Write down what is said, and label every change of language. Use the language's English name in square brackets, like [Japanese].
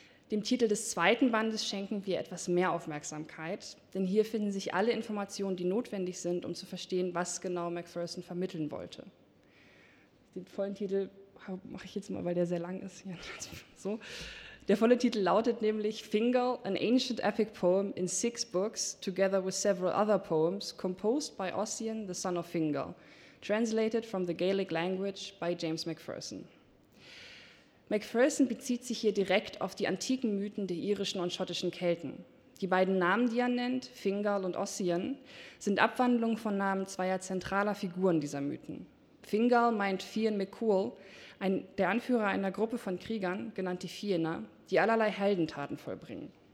[German] Dem Titel des zweiten Bandes schenken wir etwas mehr Aufmerksamkeit, denn hier finden sich alle Informationen, die notwendig sind, um zu verstehen, was genau Macpherson vermitteln wollte. Den vollen Titel mache ich jetzt mal, weil der sehr lang ist. So. Der volle Titel lautet nämlich [English] Fingal, an ancient epic poem in six books, together with several other poems, composed by Ossian, the son of Fingal, translated from the Gaelic language by James Macpherson. [German] Macpherson bezieht sich hier direkt auf die antiken Mythen der irischen und schottischen Kelten. Die beiden Namen, die er nennt, Fingal und Ossian, sind Abwandlungen von Namen zweier zentraler Figuren dieser Mythen. Fingal meint Fionn Mac Cumhail, der Anführer einer Gruppe von Kriegern, genannt die Fianna, die allerlei Heldentaten vollbringen.